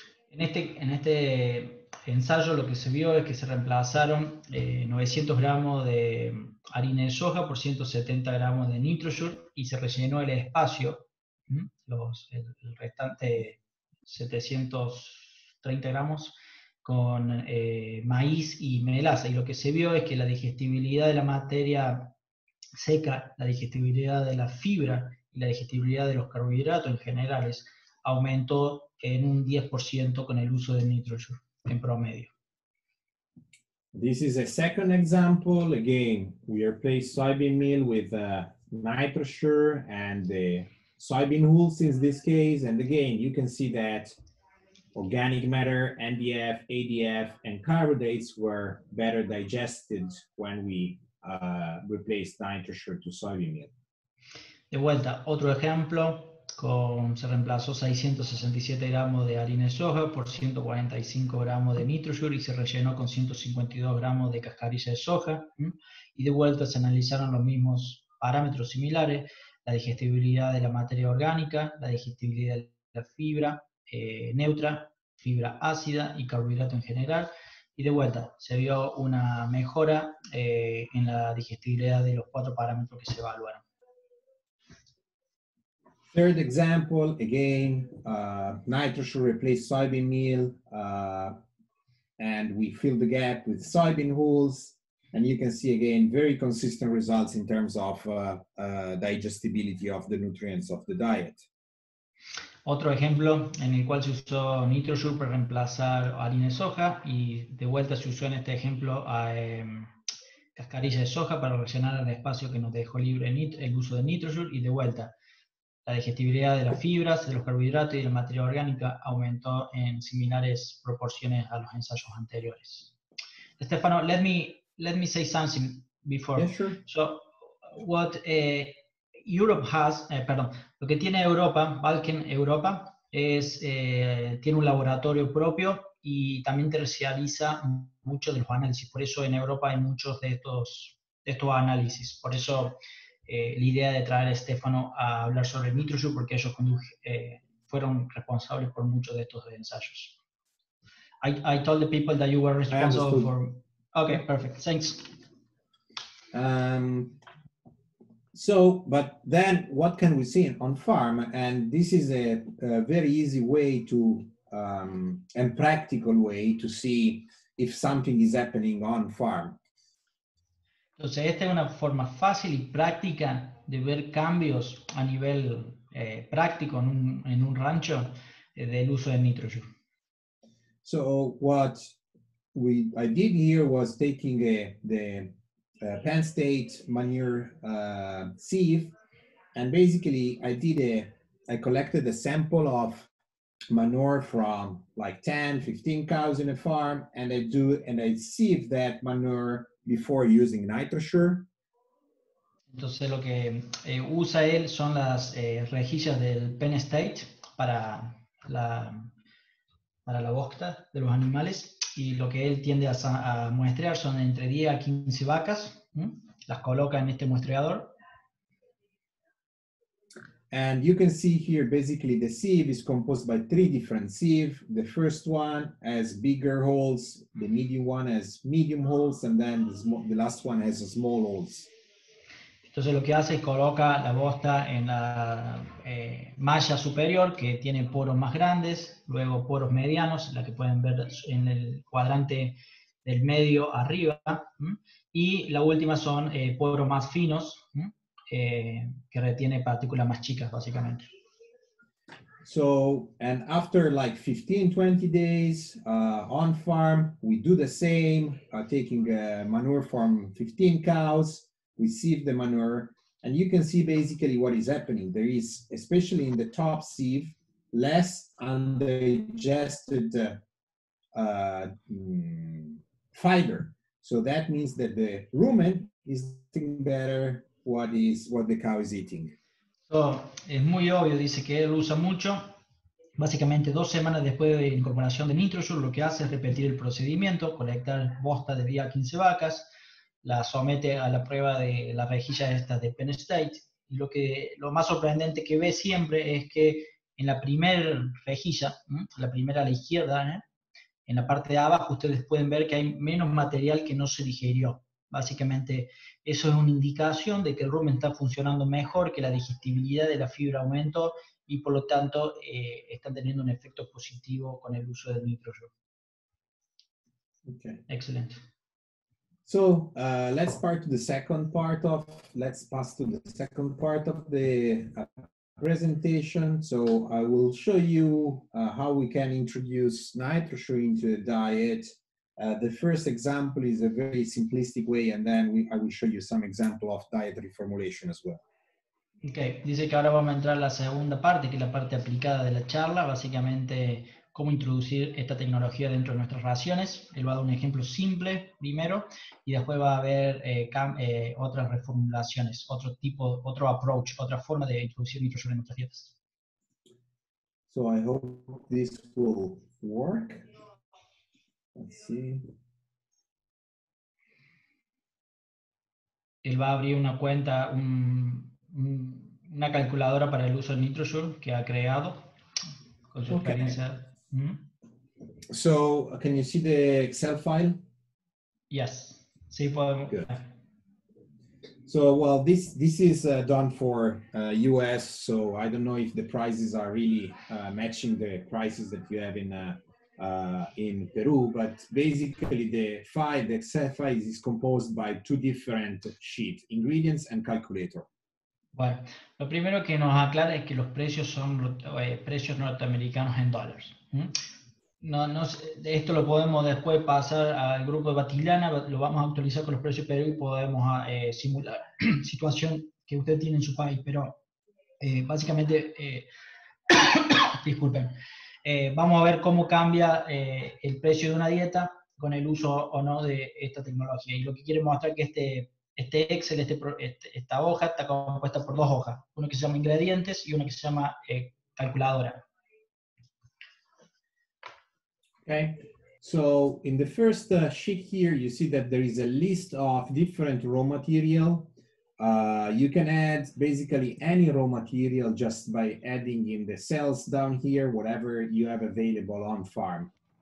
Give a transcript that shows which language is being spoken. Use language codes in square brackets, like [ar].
[es] En este ensayo lo que se vio es que se reemplazaron 900 gramos de harina de soja por 170 gramos de NitroSure y se rellenó el espacio, el restante 730 gramos, con maíz y melaza. Y lo que se vio es que la digestibilidad de la materia seca, la digestibilidad de la fibra y la digestibilidad de los carbohidratos en general aumentó en un 10% con el uso de NitroSure en promedio. [en] This is a second example. Again, we replace soybean meal with NitroSure and the soybean wool in this case. And again, you can see that organic matter, NDF, ADF, and carbohydrates were better digested when we replaced NitroSure to soybean meal. [es] De vuelta, otro ejemplo. Se reemplazó 667 gramos de harina de soja por 145 gramos de NitroSure y se rellenó con 152 gramos de cascarilla de soja. Y de vuelta se analizaron los mismos parámetros similares, la digestibilidad de la materia orgánica, la digestibilidad de la fibra neutra, fibra ácida y carbohidrato en general. Y de vuelta se vio una mejora en la digestibilidad de los cuatro parámetros que se evaluaron. [en] Third example, again, NitroSure replaced soybean meal, and we filled the gap with soybean hulls, and you can see again very consistent results in terms of digestibility of the nutrients of the diet. [es] Otro ejemplo en el cual se usó NitroSure para reemplazar harina de soja, y de vuelta se usó en este ejemplo a cascarilla de soja para rellenar el espacio que nos dejó libre el uso de NitroSure, y de vuelta. La digestibilidad de las fibras, de los carbohidratos y de la materia orgánica aumentó en similares proporciones a los ensayos anteriores. [en] Stefano, let me say something before. Yeah, sure. So, what Europe has, [es] lo que tiene Europa, Balkan Europa, es tiene un laboratorio propio y también terciariza muchos de los análisis. Por eso en Europa hay muchos de estos análisis. Por eso la idea de traer a Stefano a hablar sobre el NitroSure, porque ellos fueron responsables por muchos de estos ensayos. [en] I told the people that you were responsible for... Okay, perfect, thanks. But then what can we see on farm? And this is a very easy way to, and practical way to see if something is happening on farm. [es] Entonces, esta es una forma fácil y práctica de ver cambios a nivel práctico en un rancho del uso de NitroSure. [en] So what we I did here was taking Penn State manure sieve, and basically I did I collected a sample of manure from like 10, 15 cows in a farm, and I sieve that manure before using NitroSure. [es] Entonces lo que usa él son las rejillas del Penn State para la bosta de los animales, y lo que él tiende a muestrear son entre 10 a 15 vacas, ¿sí? Las coloca en este muestreador. [en] And you can see here basically the sieve is composed by three different sieves. The first one has bigger holes, the medium one has medium holes, and then the last one has small holes. [es] Entonces lo que hace es coloca la bosta en la malla superior, que tiene poros más grandes, luego poros medianos, la que pueden ver en el cuadrante del medio arriba, ¿sí? Y la última son poros más finos, ¿sí? Que retiene partículas más chicas, básicamente. [en] So, and after like 15, 20 days on farm, we do the same, taking manure from 15 cows. We sieve the manure, and you can see basically what is happening. There is, especially in the top sieve, less undigested fiber. So that means that the rumen is eating better what the cow is eating. [es] So, es muy obvio, dice que él usa mucho. Básicamente, 2 semanas después de incorporación de NitroSure, lo que hace es repetir el procedimiento, colectar bosta de 10 a 15 vacas, la somete a la prueba de la rejilla esta de Penn State, y lo más sorprendente que ve siempre es que en la primera rejilla, ¿sí? La primera a la izquierda, ¿eh? En la parte de abajo ustedes pueden ver que hay menos material que no se digirió. Básicamente eso es una indicación de que el rumen está funcionando mejor, que la digestibilidad de la fibra aumentó, y por lo tanto están teniendo un efecto positivo con el uso del NitroSure. [en] Okay. [es] Excelente. [en] So let's part to the second part of let's pass to the second part of the presentation. So I will show you how we can introduce NitroSure into a diet. The first example is a very simplistic way, and then I will show you some example of diet reformulation as well. [es] Okay, dice que ahora vamos a entrar a la segunda parte, que es la parte aplicada de la charla, básicamente cómo introducir esta tecnología dentro de nuestras raciones. Él va a dar un ejemplo simple primero, y después va a haber otras reformulaciones, otro tipo, otro approach, otra forma de introducir NitroSure en nuestras dietas. [en] So I hope this will work. Let's see. [es] Él va a abrir una cuenta, una calculadora para el uso de NitroSure que ha creado con su experiencia. [en] So, can you see the Excel file? Yes. [es] Sí, puedo. [en] Good. So, well, this is done for US, so I don't know if the prices are really matching the prices that you have in Peru, but basically the Excel file is composed by two different sheets, ingredients and calculator. [es] Bueno, lo primero que nos aclara es que los precios son precios norteamericanos en dólares. No, esto lo podemos después pasar al grupo de Batillana, lo vamos a actualizar con los precios Perú y podemos simular situación que usted tiene en su país, pero básicamente, disculpen, vamos a ver cómo cambia el precio de una dieta con el uso o no de esta tecnología. Y lo que quiere mostrar es que este Excel, esta hoja está compuesta por dos hojas, una que se llama ingredientes y una que se llama calculadora. [en] Okay, so in the first sheet here, you see that there is a list of different raw material. You can add basically any raw material just by adding in the cells down here, whatever you have available on farm.